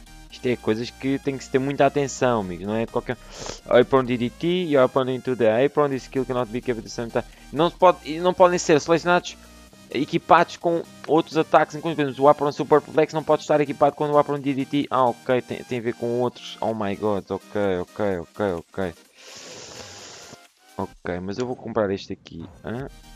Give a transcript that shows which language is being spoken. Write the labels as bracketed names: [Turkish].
[Portuguese] Isto é coisas que tem que se ter muita atenção, amigos, não é? Qualquer... [English] Apron DDT, your opponent into the apron, this skill cannot be kept at the same time. [Portuguese] Não podem ser selecionados, equipados com outros ataques, enquanto, por exemplo, o apron super flex não pode estar equipado quando o apron DDT... Ah, ok, tem a ver com outros... [English] Oh my god, [Portuguese] ok, mas eu vou comprar este aqui, hã?